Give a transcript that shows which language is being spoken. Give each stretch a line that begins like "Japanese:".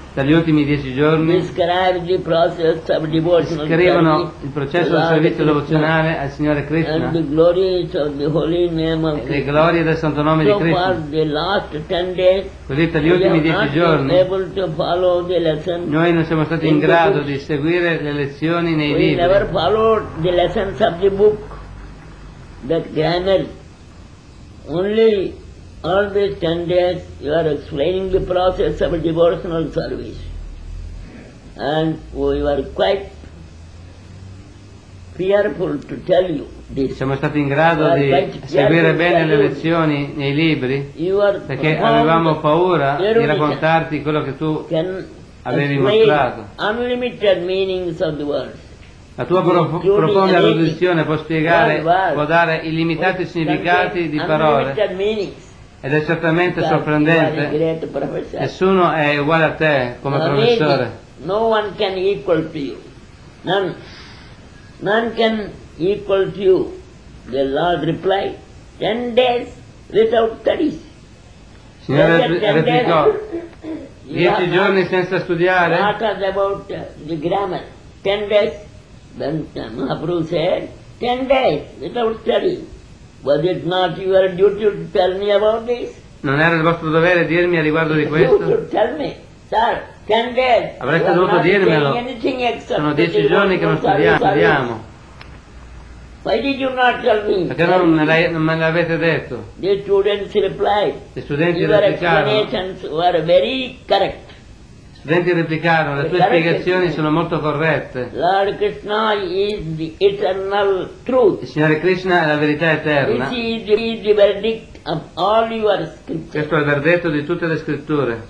Italian: Dagli ultimi 10 giorni scrivono il processo del servizio devozionale al Signore Krishna
English: and the glories of the holy name of Krishna.
Italian: E le glorie del Santo Nome
English: so
Italian: di Krishna.
English: For the last 10 days,
Italian: così dagli ultimi 10 giorni
English: able to follow the lesson
Italian: noi non siamo stati in grado di seguire le lezioni nei libri.
English: We never followed the lessons of the book, that grammar. Only all these 10 days you are explaining the process of devotional service. And we were quite fearful to tell you this.
Italian: Siamo stati in grado di seguire bene le lezioni nei libri perché avevamo paura di raccontarti quello che tu avevi mostrato.
English: Unlimited meanings of the words.
Italian: La tua profonda erudizione può spiegare, può dare illimitati significati di parole. Ed è certamente sorprendente. Nessuno è uguale a te come professore.
English: No one can equal to you. None. None can equal to you. The Lord replied, 10 days without studies.
Italian: Signore replicò, 10 giorni senza studiare.
English: What is about the grammar? 10 days. Then Mahaprabhu said, 10 days without studies. Was it not your duty to tell me about this?
Italian: Non era il vostro dovere dirmi a riguardo di questo?
English: You should tell me, sir. 10 days.
Italian: Avreste dovuto dirmelo. Sono 10 giorni che non studiamo.
English: Why did you not tell me?
Italian: Perché non me l'avete detto?
English: The students replied.
Italian: Gli studenti replicarono. Le tue spiegazioni sono molto corrette.
English: Lord Krishna is the eternal truth.
Italian: Il Signore Krishna è la verità eterna.
English: This is the verdict of all your scriptures.
Italian: Questo è il verdetto di tutte le scritture.